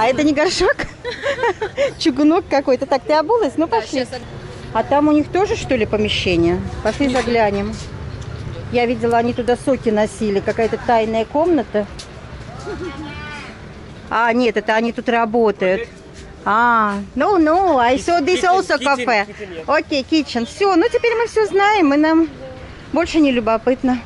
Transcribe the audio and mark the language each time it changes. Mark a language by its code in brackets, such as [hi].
[ru] А это не горшок? Чугунок какой-то. Так, ты обулась? Ну, пошли. А там у них тоже, что ли, помещение? Пошли заглянем. Я видела, они туда соки носили, какая-то тайная комната. А, нет, это они тут работают. [en] А, ну, I saw this also cafe. [ru] Окей, kitchen. Все, ну теперь мы все знаем, и нам больше не любопытно.